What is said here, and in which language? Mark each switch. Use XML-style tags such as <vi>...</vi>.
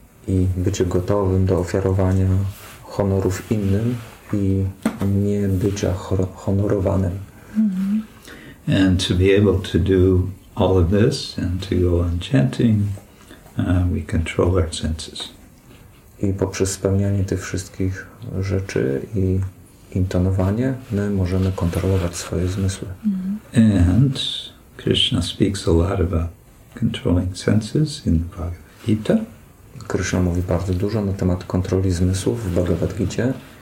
<pl>i bycie gotowym do ofiarowania honorów innym i nie bycia honorowanym. Mm-hmm.</pl> <en>And to be able to do all of this and to go on chanting, we control our senses.</en> <pl>I poprzez spełnianie tych wszystkich rzeczy i intonowanie, my możemy kontrolować swoje zmysły.</pl> <en>Mm-hmm. And Krishna speaks a lot about controlling senses in the Bhagavad Gita.</en> <pl>Krishna mówi bardzo dużo na temat kontroli zmysłów w Bhagavad Gita.</pl>